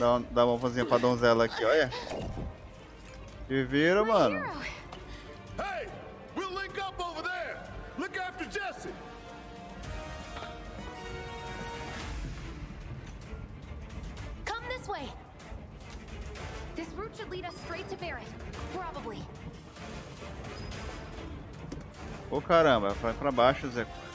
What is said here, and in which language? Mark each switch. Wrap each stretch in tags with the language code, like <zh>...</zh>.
<pt>Dá uma mãozinha pra donzela aqui, olha. Te vira, mano.</pt> <en>Hey, we'll link up over there. Look after Jesse. Come this way. This route should lead us straight to Barrett, probably.</en> <pt>Ô caramba, vai pra baixo, Zé.</pt>